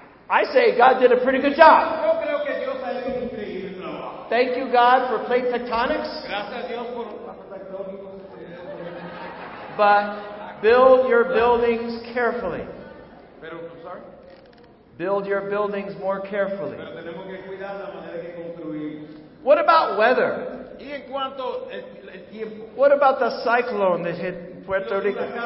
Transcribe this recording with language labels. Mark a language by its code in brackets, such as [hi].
[en] I say God did a pretty good job. [es] Yo creo que Dios ha hecho un increíble trabajo. [en] Thank you, God, for plate tectonics. [es] Gracias a Dios por tectónicos. [en] But build your buildings carefully. [es] Pero, [en] I'm sorry? Build your buildings more carefully. [es] Pero tenemos que cuidar la manera que construimos. [en] What about weather? [es] Y en cuanto el tiempo. [en] What about the cyclone that hit Puerto Rico?